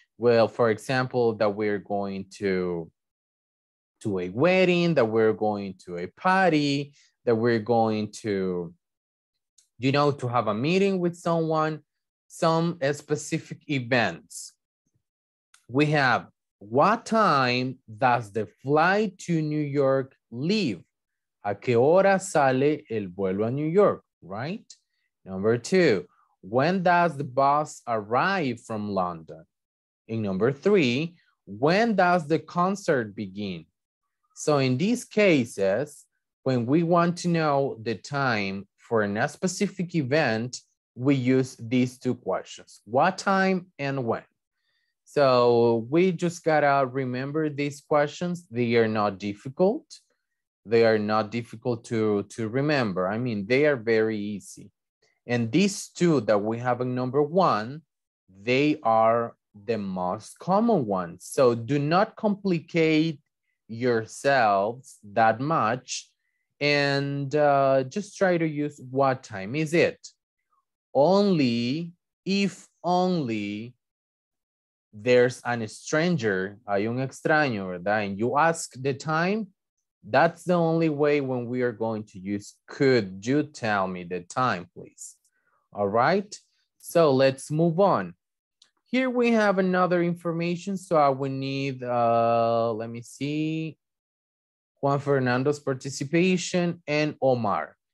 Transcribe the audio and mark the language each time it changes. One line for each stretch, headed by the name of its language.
English: Well, for example, that we're going to a wedding, that we're going to a party, that we're going to, you know, to have a meeting with someone, some specific events. We have What time does the flight to New York leave?
Spanish: ¿A qué hora sale el vuelo a New York?
English: Right? Number two, when does the bus arrive from London? And number three, when does the concert begin? So in these cases, when we want to know the time for a specific event, we use these two questions, what time and when. So we just gotta remember these questions. They are not difficult. They are not difficult to remember. I mean, they are very easy. And these two that we have in number one, they are the most common ones. So do not complicate yourselves that much. And just try to use what time is it? Only if only there's an stranger,
Spanish: hay un extraño, ¿verdad?
English: And you ask the time, that's the only way when we are going to use, could you tell me the time, please? All right, so let's move on. Here we have another information, so I will need, let me see, Juan Fernando's participation and Omar.